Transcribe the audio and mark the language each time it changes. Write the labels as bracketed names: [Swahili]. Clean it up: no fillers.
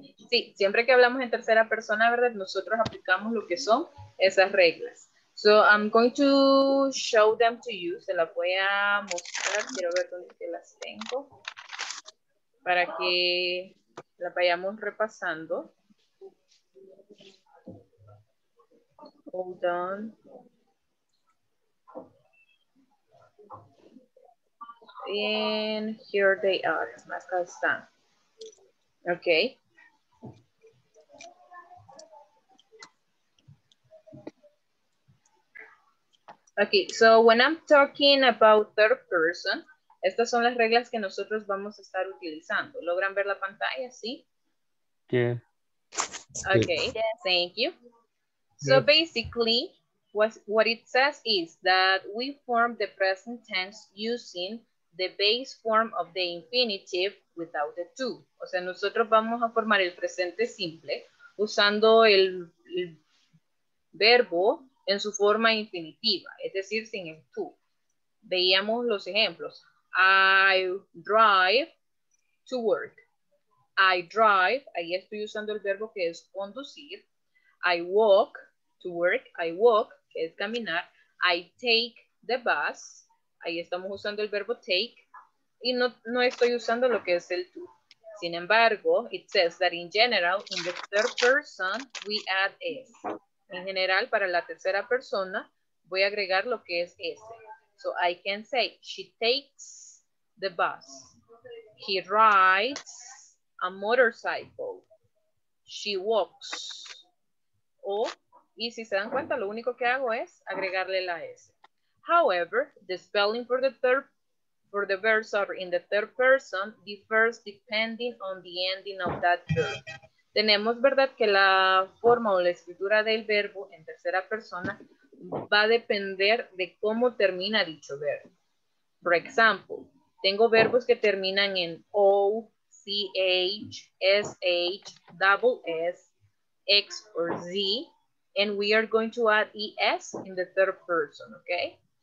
[Spanish] Sí, siempre que hablamos en tercera persona, ¿verdad? Nosotros aplicamos lo que son esas reglas. [English] So I'm going to show them to you. [Spanish] Se las voy a mostrar. Quiero ver dónde que las tengo. Para que la vayamos repasando. [English] Hold on. And here they are. [Spanish] Acá están. [English] Okay. Okay, so when I'm talking about third person, [Spanish] estas son las reglas que nosotros vamos a estar utilizando. ¿Logran ver la pantalla? ¿Sí? [English] Yeah. Okay, yeah. Thank you. So yeah. Basically, what it says is that we form the present tense using the base form of the infinitive without the to. [Spanish] O sea, nosotros vamos a formar el presente simple usando el verbo en su forma infinitiva, es decir, sin el to. Veíamos los ejemplos. [English] I drive to work. I drive, [Spanish] ahí estoy usando el verbo que es conducir. [English] I walk to work. I walk, [Spanish] que es caminar. [English] I take the bus. [Spanish] Ahí estamos usando el verbo take. Y no estoy usando lo que es el to. Sin embargo, [English] it says that in general, in the third person, we add s. [Spanish] En general, para la tercera persona, voy a agregar lo que es s. [English] So I can say, she takes the bus. He rides a motorcycle. She walks. [Spanish] O, y si se dan cuenta, lo único que hago es agregarle la S. [English] However, the spelling for the verb, sorry, in the third person differs depending on the ending of that verb. [Spanish] Tenemos, ¿verdad?, que la forma o la escritura del verbo en tercera persona va a depender de cómo termina dicho verbo. [English] For example, [Spanish] tengo verbos que terminan en [English] O, C, H, S, H, double S, X, or Z, and we are going to add ES in the third person, okay?